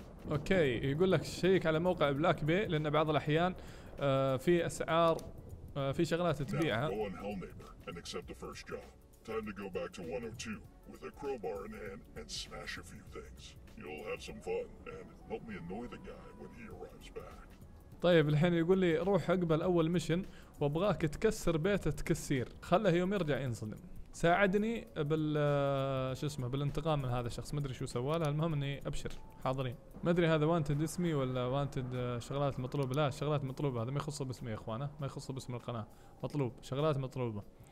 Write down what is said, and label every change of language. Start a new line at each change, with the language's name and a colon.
Arabic: أوكي يقول لك شيك على موقع بلاك بي لأن بعض الأحيان في أسعار في شغلات تبيعها.
English: And accept the first job. Time to go back to 102 with a crowbar in hand and smash a few things. You'll have some fun and help me annoy the guy when he arrives back.
Arabic: طيب الحين يقول لي روح اقبل اول ميشن وابغاك تكسر بيت التكسير، خله يوم يرجع ينصدم. ساعدني شو اسمه بالانتقام من هذا الشخص، ما ادري شو سوى له، المهم اني ابشر حاضرين. ما ادري هذا وانتد اسمي ولا وانتد شغلات مطلوبه. لا شغلات مطلوبه، هذا ما يخصه باسمي يا اخوانه، ما يخصه باسم القناه، مطلوب شغلات مطلوبه.